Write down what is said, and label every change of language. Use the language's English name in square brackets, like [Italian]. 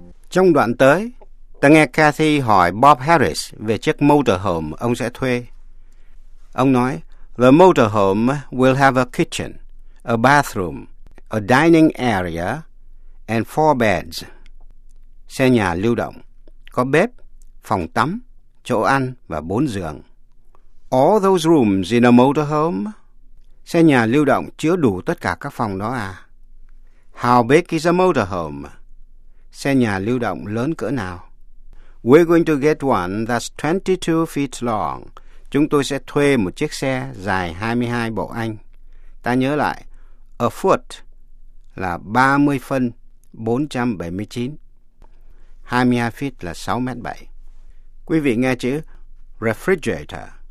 [Vietnamese] Trong đoạn tới, ta nghe Kathy hỏi Bob Harris về chiếc motorhome ông sẽ thuê. Ông nói, [English] "The motorhome will have a kitchen, a bathroom, a dining area, and 4 beds." [Vietnamese] Xe nhà lưu động, có bếp, phòng tắm, chỗ ăn và 4 giường. [English] All those rooms in a motorhome? [Vietnamese] Xe nhà lưu động chứa đủ tất cả các phòng đó à? [English] How big is a motorhome? [Vietnamese] Xe nhà lưu động lớn cỡ nào? [English] We're going to get one that's 22 feet long. [Vietnamese] Chúng tôi sẽ thuê một chiếc xe dài 22 bộ Anh. Ta nhớ lại, a foot là 30 phân 479. 22 feet là 6.7 m. Quý vị nghe chữ refrigerator.